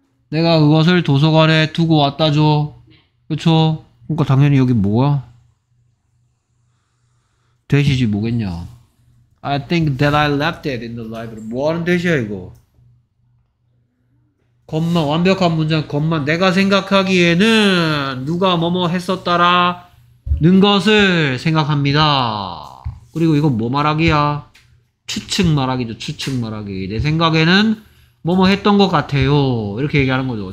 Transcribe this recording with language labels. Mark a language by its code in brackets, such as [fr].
[ko] 내가 그것을 도서관에 두고 왔다죠. 그쵸? 그러니까 당연히 여기 뭐야? 대시지 뭐겠냐? [en] I think that I left it in the library. [ko] 뭐하는 대시야 이거? 겉만, 완벽한 문장 겉만. 내가 생각하기에는 누가 뭐뭐 했었다라 는 것을 생각합니다. 그리고 이거 뭐 말하기야? 추측 말하기죠. 추측 말하기. 내 생각에는 뭐뭐 했던 것 같아요. 이렇게 얘기하는 거죠.